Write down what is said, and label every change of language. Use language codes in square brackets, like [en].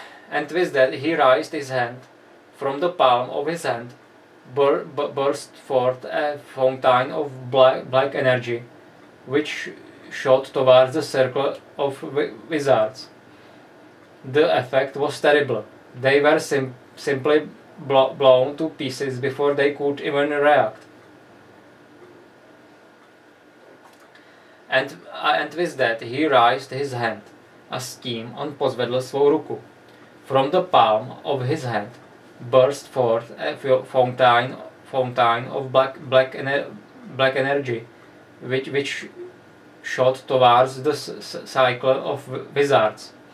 [en] And with that, he raised his hand. From the palm of his hand, burst forth a fountain of black energy, which shot towards the circle of wizards. The effect was terrible. They were simply blown to pieces before they could even react. And with that, he raised his hand. [cs] A s tím on pozvedl svou ruku. [en] From the palm of his hand burst forth a fountain of black energy, which shot towards the cycle of wizards.